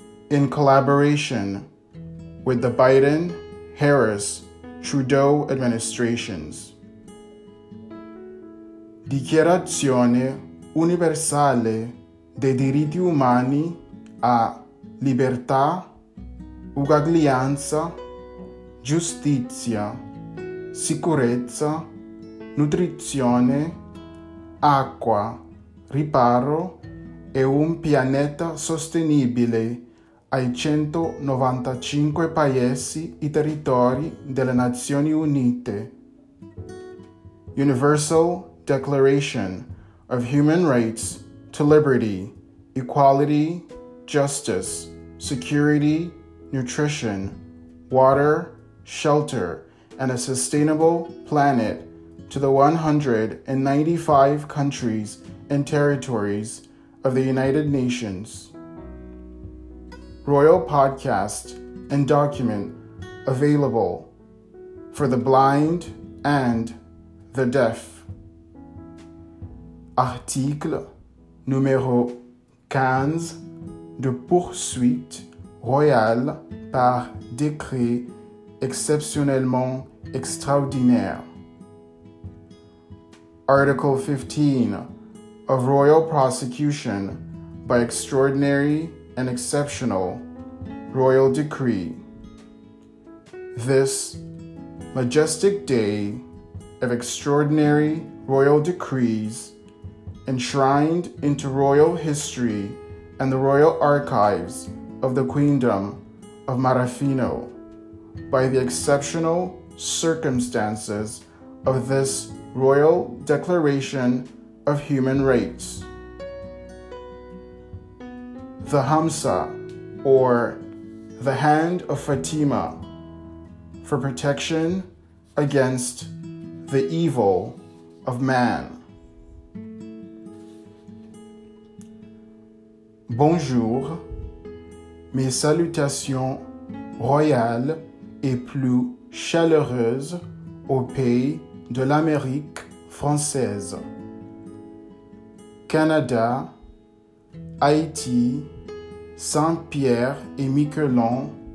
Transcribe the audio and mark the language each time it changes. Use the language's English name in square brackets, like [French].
[English] In collaboration with the Biden, Harris, Trudeau administrations. [Italian] Dichiarazione universale dei diritti umani a libertà, uguaglianza, giustizia, sicurezza, nutrizione, acqua, riparo e un pianeta sostenibile ai 195 paesi e territori delle Nazioni Unite. [English] Universal Declaration of Human Rights to Liberty, Equality, Justice, Security, Nutrition, Water, Shelter, and a Sustainable Planet to the 195 countries and territories of the United Nations. Royal podcast and document available for the blind and the deaf. [French] Article numéro 15 de poursuite royale par décret exceptionnellement extraordinaire. [English] Article 15 of royal prosecution by extraordinary and exceptional royal decree. This majestic day of extraordinary royal decrees, enshrined into royal history and the royal archives of the Queendom of Marafino, by the exceptional circumstances of this Royal Declaration of Human Rights. The Hamsa, or the Hand of Fatima, for protection against the evil of man. [French] Bonjour, mes salutations royales et plus chaleureuses au pays de l'Amérique française, Canada, Haïti, Saint-Pierre et Miquelon,